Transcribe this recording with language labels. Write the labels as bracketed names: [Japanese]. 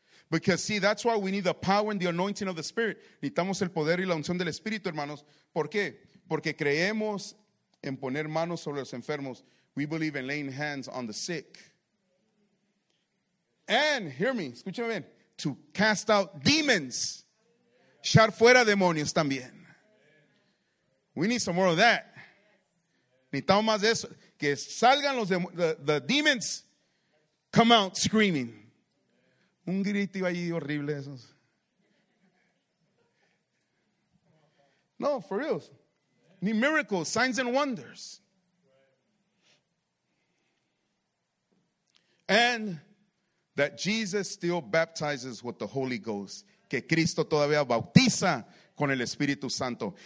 [English] Because see, that's why we need the power and the anointing of the Spirit. [Spanish] Necesitamos el poder y la unción del Espíritu, hermanos. ¿Por qué? Porque creemos en poner manos sobre los enfermos. [English] We believe in laying hands on the sick. And, hear me, [Spanish] escúchame bien, [English] to cast out demons. [Spanish] Echar fuera demonios también. [English] We need some more of that. [Spanish] Necesitamos más de eso. Que salgan los demons. [English] Come out screaming. [Spanish] Un grito ahí horrible esos. [English] No, for real. Need miracles, signs and wonders. And that Jesus still baptizes with the Holy Ghost. [Spanish] Que Cristo todavía bautiza con el Espíritu Santo.